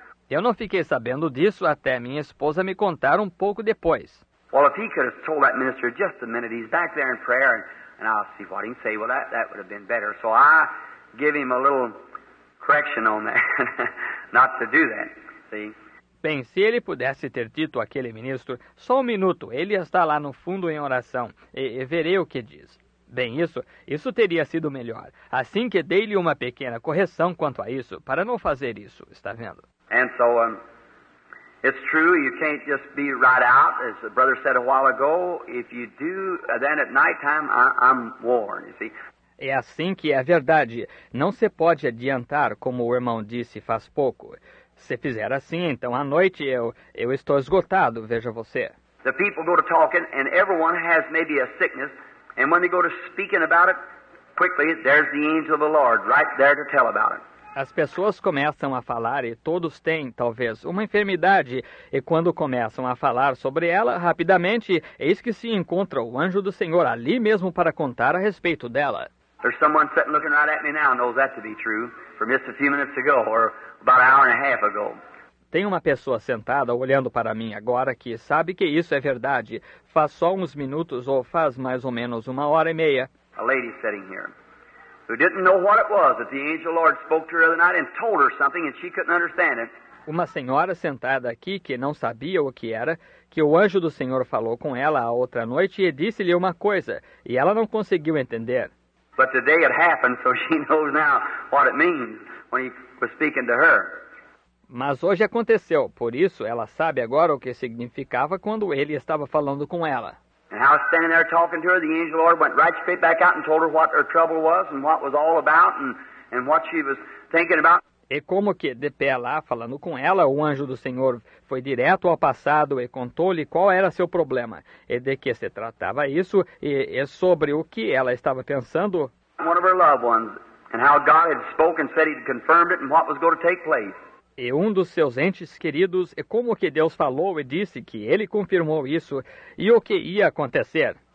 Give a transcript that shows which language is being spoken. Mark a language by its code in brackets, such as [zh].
[pt] Eu não fiquei sabendo disso até minha esposa me contar um pouco depois. [en] Well, if he could have told that minister just a minute, he's back there in prayer, and I'll see what he can say. Well, that would have been better. So I give him a little correction on that, not to do that, see? [pt] Bem, se ele pudesse ter dito àquele ministro, só um minuto, ele está lá no fundo em oração, e verei o que diz. Bem, isso teria sido melhor. Assim que dei-lhe uma pequena correção quanto a isso, para não fazer isso, está vendo? [en] And so, it's true, you can't just be right out, as the brother said a while ago. If you do, then at night time, I'm warned, you see? [pt] É assim que é verdade. Não se pode adiantar, como o irmão disse faz pouco. Se fizer assim, então à noite eu estou esgotado, veja você. [en] The people go to talking and everyone has maybe a sickness, and when they go to speaking about it, quickly there's the angel of the Lord right there to tell about it. [pt] As pessoas começam a falar e todos têm talvez uma enfermidade, e quando começam a falar sobre ela, rapidamente eis que se encontra o anjo do Senhor ali mesmo para contar a respeito dela. [en] There's someone sitting looking right at me now knows that to be true from just a few minutes ago or about an hour and a half ago. [pt] Tem uma pessoa sentada olhando para mim agora que sabe que isso é verdade. Faz só uns minutos ou faz mais ou menos uma hora e meia. [en] A lady sitting here who didn't know what it was that the angel Lord spoke to her the other night and told her something and she couldn't understand it. [pt] Uma senhora sentada aqui que não sabia o que era, que o anjo do Senhor falou com ela a outra noite e disse-lhe uma coisa e ela não conseguiu entender. [en] But today it happened, so she knows now what it means when he was speaking to her. [pt] mas hoje aconteceu. Por isso, ela sabe agora o que significava quando ele estava falando com ela. [en] And I was standing there talking to her. The angel Lord went right straight back out and told her what her trouble was and what was all about and what she was thinking about. [pt] E como que, de pé lá, falando com ela, o anjo do Senhor foi direto ao passado e contou-lhe qual era seu problema, e de que se tratava isso, e sobre o que ela estava pensando. [en] One of her loved ones, and how God had spoken, said he'd confirmed it, and what was going to take place. [pt] E um dos seus entes queridos, e como que Deus falou e disse que ele confirmou isso, e o que ia acontecer.